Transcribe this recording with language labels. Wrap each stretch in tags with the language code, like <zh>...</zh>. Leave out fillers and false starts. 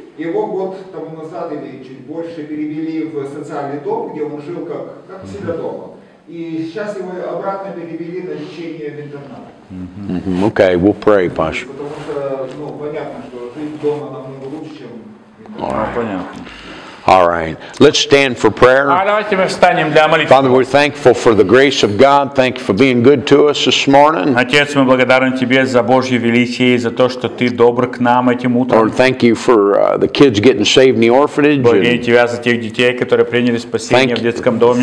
<ru>Его год тому назад или чуть больше перевели в социальный дом, где он жил как у себя дома. И сейчас его обратно перевели на лечение в интернат.</ru> <en>Okay, we'll pray, Паш.</en> <ru>Потому что, ну, понятно, что жить дома намного лучше, чем... Понятно.</ru> <en>All right. Let's stand for prayer. Father, we're thankful for the grace of God. Thank you for being good to us this morning.</en> <ru>Отец, мы благодарны тебе за Божье величие и за то, что ты добр к нам этим утром.</ru> <en>Lord, thank you for the kids getting saved in the orphanage.</en> <ru>Благодарим тебя за тех детей, которые приняли спасение в детском доме.</ru>